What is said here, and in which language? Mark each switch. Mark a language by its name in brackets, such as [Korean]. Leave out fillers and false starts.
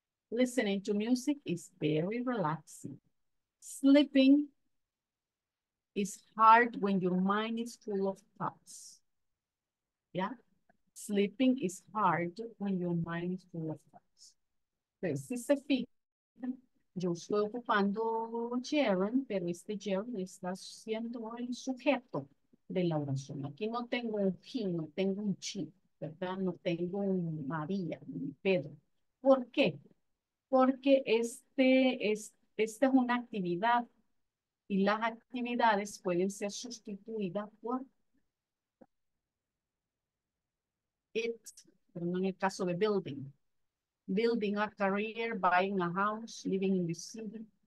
[English] Listening to music is very relaxing. Sleeping is hard when your mind is full of thoughts. Yeah? Sleeping is hard when your mind is full of thoughts. [Spanish] Pero si se fija, yo estoy ocupando gerund, pero este gerund está siendo el sujeto de la oración. Aquí no tengo un he, no tengo un she, ¿verdad? No tengo un María, un Pedro. ¿Por qué? Porque esta es una actividad. Y las actividades pueden ser sustituidas por it, pero no en el caso de building. [English] Building a career, buying a house, living in the city.